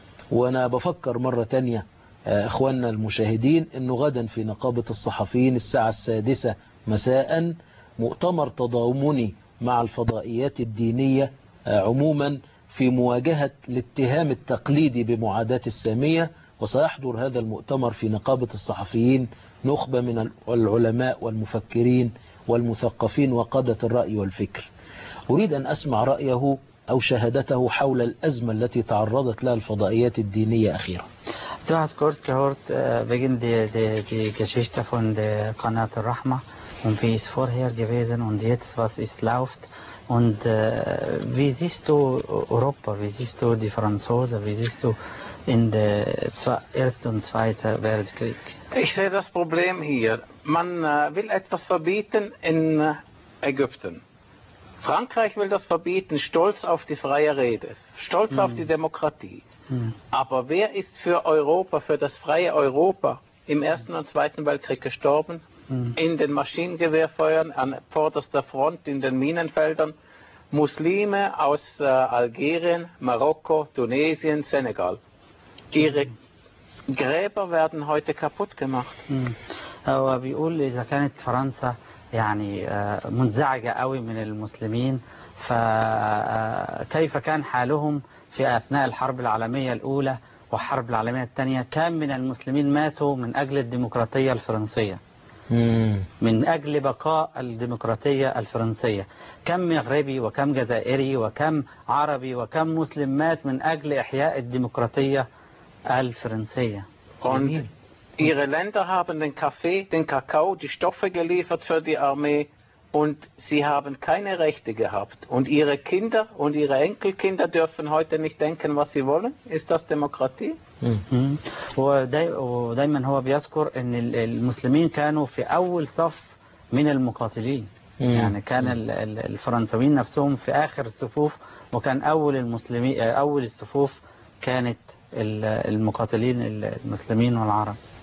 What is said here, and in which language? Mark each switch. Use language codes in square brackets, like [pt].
[ar] وأنا بفكر مرة تانية أخواننا المشاهدين أنه غدا في نقابة الصحفيين الساعة 6 مساء مؤتمر تضامني مع الفضائيات الدينية عموما في مواجهة الاتهام التقليدي بمعاداة السامية، وسيحضر هذا المؤتمر في نقابة الصحفيين نخبة من العلماء والمفكرين والمثقفين وقادة الرأي والفكر. أريد أن أسمع رأيه أو شهادته حول الأزمة التي تعرضت لها الفضائيات الدينية أخيرا. [de] Du hast kurz gehört wegen der Geschichte von der Kanal der Rahma. und wie ist vorher gewesen und jetzt, was ist läuft. Und wie siehst du Europa, wie siehst du die Franzosen, wie siehst du in der Ersten und Zweiten Weltkrieg? Ich sehe das Problem hier. Man will etwas verbieten in Ägypten. Frankreich will das verbieten, stolz auf die freie Rede, stolz auf die Demokratie. Aber wer ist für Europa, für das freie Europa im Ersten und Zweiten Weltkrieg gestorben? In den Maschinengewehrfeuern, an vorderster Front, in den Minenfeldern, Muslime aus Algerien, Marokko, Tunesien, Senegal. Ihre Gräber werden heute kaputt gemacht. Aber wie Uli, da kann nicht Franz [ar] يعني منزعجة قوي من المسلمين فكيف كان حالهم في أثناء الحرب العالمية الأولى وحرب العالمية الثانية كم من المسلمين ماتوا من أجل الديمقراطية الفرنسية من أجل بقاء الديمقراطية الفرنسية كم مغربي وكم جزائري وكم عربي وكم مسلم مات من أجل إحياء الديمقراطية الفرنسية جميل. [de] Ihre Länder haben den Kaffee, den Kakao, die Stoffe geliefert für die Armee und sie haben keine Rechte gehabt. Und ihre Kinder und ihre Enkelkinder dürfen heute nicht denken, was sie wollen? Ist das Demokratie? [ar] ودايماً هو بيذكر إن المسلمين كانوا في أول صف من المقاتلين. يعني كان الفرنسيين نفسهم في آخر الصفوف وكان أول المسلمين أول الصفوف كانت المقاتلين المسلمين والعرب.